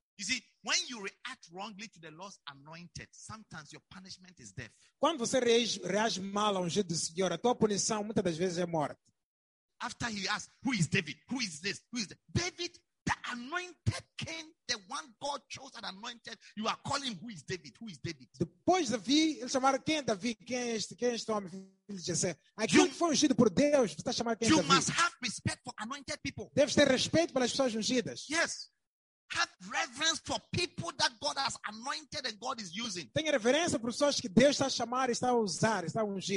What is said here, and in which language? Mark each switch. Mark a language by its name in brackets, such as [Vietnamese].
[English] You see, when you react wrongly to the Lord's anointed, sometimes your punishment is death. [Portuguese] Quando você reage mal ao ungido do Senhor, a tua punição muitas das vezes é morte. [English] After he asked, "Who is David? Who is this? Who is that?" David. The anointed king, the one God chose and anointed, you are calling who is David? Who is David? [Portuguese] Depois de Davi, ele chamaram quem é Davi? Quem é este homem? Ele disse, aquele que foi ungido por Deus, você está chamando quem é Davi? [English] You must have respect for anointed people. [Portuguese] Deves ter respeito pelas pessoas ungidas. [English] Yes. Have reverence for people that God has anointed and God is using. [Portuguese] Tenha reverência por pessoas que Deus está chamando, está a usar, está a ungir.